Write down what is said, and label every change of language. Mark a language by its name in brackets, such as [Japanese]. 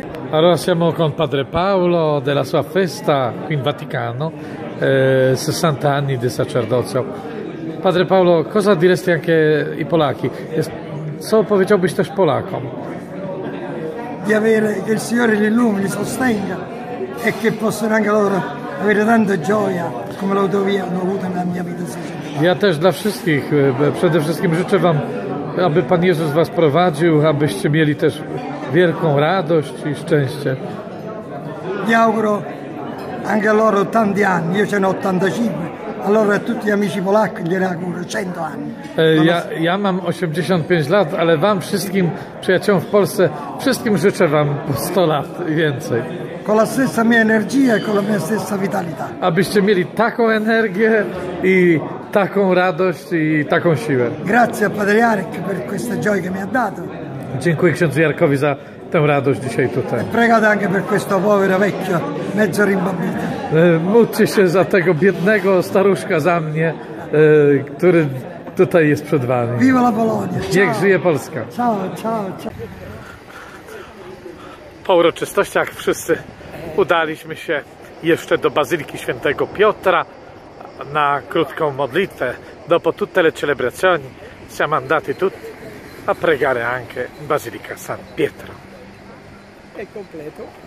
[Italian] Allora siamo con Padre Paolo della sua festa qui in Vaticano, 60 anni di sacerdozio. Padre Paolo, cosa diresti anche ai polacchi? [Polish] co powiedziałbyś też Polakom? [Italian] Di avere, che il Signore li illumini, li sostenga e che possano anche loro avere tanta gioia come l'autovia hanno avuto nella mia vita. [Polish] Ja też dla wszystkich, przede wszystkim życzę Wam, aby Pan Jezus Was prowadził, abyście mieli też wielką radość i szczęście. [Italian] Vi auguro anche a loro tanti anni, io ce ne ho 85, allora a tutti gli amici polacchi gli auguro 100 anni. [Polish] Ja mam 85 lat, ale Wam wszystkim, przyjaciołom w Polsce, wszystkim życzę Wam 100 lat więcej. [Italian] Con la stessa mia energia e con la mia stessa vitalità. [Polish] Abyście mieli taką energię i taką radość i taką siłę. [Italian] Grazie a Padre Jarek per questa gioia che mi ha dato. [Polish] Dziękuję księdzu Jarkowi za tę radość dzisiaj tutaj. [Italian] Pregate anche per questo povero vecchio, mezzo rimbambito. [Polish] Módlcie się za tego biednego staruszka za mnie, który tutaj jest przed Wami. [Italian] Viva la Polonia! [Polish] Niech żyje Polska! [Italian] Ciao, ciao, ciao. [Polish] Po uroczystościach wszyscy udaliśmy się jeszcze do Bazyliki Świętego Piotra na krótką modlitwę. [Italian] Dopo tutte le celebrazioni siamo andati tutti a pregare anche in Basilica San Pietro. È completo.